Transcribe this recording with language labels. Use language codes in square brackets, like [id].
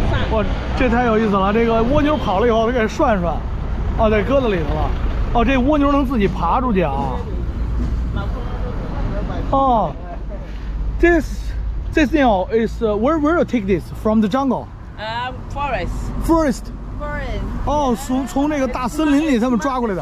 [zh] 哇，这太有意思了！这个蜗牛跑了以后，得给涮涮。哦，在鸽子里头了。哦，这蜗牛能自己爬出去啊？哦。 [en] This thing is where you take this from the jungle? Forest. [zh] Oh, 从那个大森林里他们抓过来的。